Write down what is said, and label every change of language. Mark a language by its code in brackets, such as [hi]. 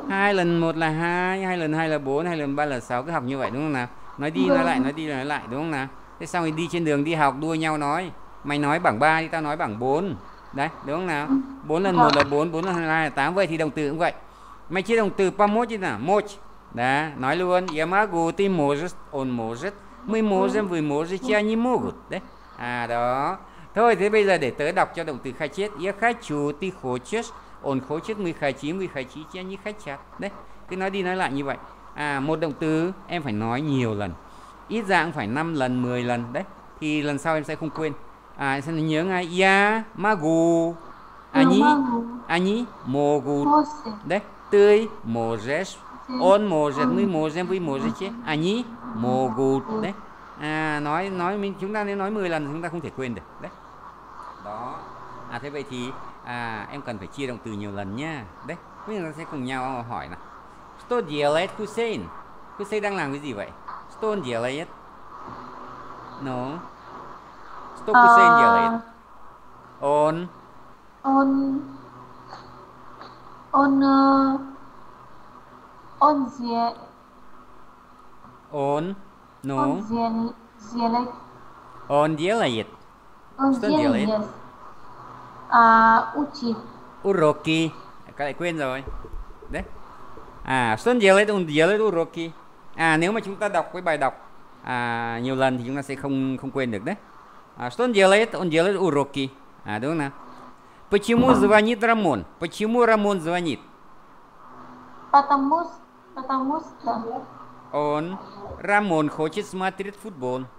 [vi] 2 lần 1 là 2, 2 lần 2 là 4, 2 lần 3 là 6, cứ học như vậy đúng không nào? Nói đi nói lại, nói đi nói lại đúng không nào? Thế xong thì đi trên đường đi học đua nhau nói. Mày nói bảng 3 thì tao nói bảng 4. Đấy, đúng không nào? 4 lần 1 là 4, 4 lần 2 là 8, vậy thì động từ cũng vậy. Mày chia động từ pomoc đi nào, moc. Đó, nói luôn. [ru] Я могу, ты можешь, он может. Мы можем, вы можете, они могут. [vi] Đấy. À đó. Thôi thế bây giờ để tớ đọc cho động từ khai chết. [ru] Я хочу, ты хочешь, он хочет, мы хотим, они хотят. [vi] Đấy, cứ nói đi nói lại như vậy. À, một động từ em phải nói nhiều lần. Ít ra cũng phải 5 lần, 10 lần đấy. Thì lần sau em sẽ không quên. À, em sẽ nhớ ngay. [ru] Я могу. Они. Они могут. [vi] Đấy, [ru] ты можешь. Он может, мы можем, вы можете. Они могут. [vi] Đấy. À, nói mình chúng ta nên nói 10 lần chúng ta không thể quên được đấy đó. À thế vậy thì em cần phải chia động từ nhiều lần nhá. Đấy, bây giờ sẽ cùng nhau hỏi nè. [ru] Что делает Хусейн? [vi] Хусейн đang làm cái gì vậy? [ru] Что он делает? No. Что Хусейн делает? Он. Он. Он. Он где? Он. No. Он делает. Он делает. А учит. Уроки. [vi] Các bạn quên rồi. Đấy. [ru] À, Сон делает, он делает уроки. [vi] À, nếu mà chúng ta đọc cái bài đọc nhiều lần thì chúng ta sẽ không quên được đấy. [ru] À, Сон делает, он делает уроки. À, [vi] đúng không nào? [ru] Почему звонит Рамон? Почему Рамон звонит? Потому что. Он Рамон хочет смотреть футбол.